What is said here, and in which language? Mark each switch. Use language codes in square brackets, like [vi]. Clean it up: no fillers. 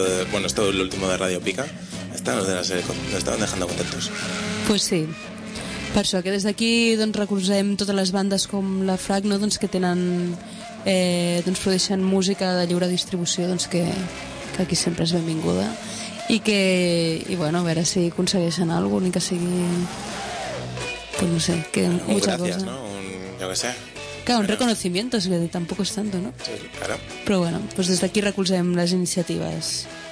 [es] bueno, esto es lo último de Radio Pica. Están los de la SER, nos estaban dejando contentos. Pues sí. [ca] Per això, que des d'aquí doncs, recolzem totes les bandes com la FRAC, no? Doncs, que tenen, doncs, produeixen música de lliure distribució, doncs, que aquí sempre és benvinguda. I bueno, a veure si aconsegueixen alguna cosa, ni que sigui... [es] Pues no sé, que bueno, mucha gracias, cosa. ¿No? Yo que sé. Claro, un reconocimiento, si tampoco es tanto, ¿no? Sí, claro. [ca] Però bueno, pues des d'aquí recolzem les iniciatives.